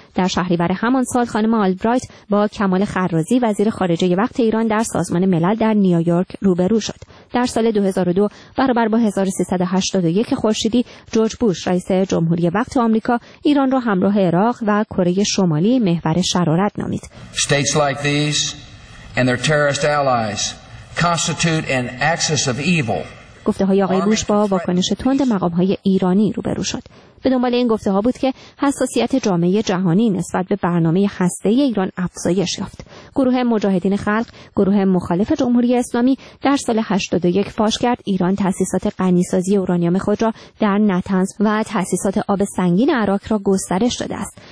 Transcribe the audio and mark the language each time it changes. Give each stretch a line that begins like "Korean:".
Persian: در شهریور همان سال خانم آلبرایت با کمال خرازی، وزیر خارجه وقت ایران، در سازمان ملل در نیویورک روبرو شد. در سال 2002 برابر با 1381 خورشیدی، جورج بوش، رئیس جمهوری وقت آمریکا، ایران را همراه عراق و کره شمالی محور شرارت نامید.
English: States like these and their terrorist allies constitute an axis of evil.
Persian: گفته‌های آقای بوش با واکنش تند مقام‌های ایرانی روبرو شد. به دنبال این گفته‌ها بود که حساسیت جامعه جهانی نسبت به برنامه هسته‌ای ایران افزایش یافت. گروه مجاهدین خلق، گروه مخالف جمهوری اسلامی، در سال 81 فاش کرد ایران تأسیسات غنی‌سازی اورانیوم خود را در نطنز و تأسیسات آب سنگین عراق را گسترش داده است.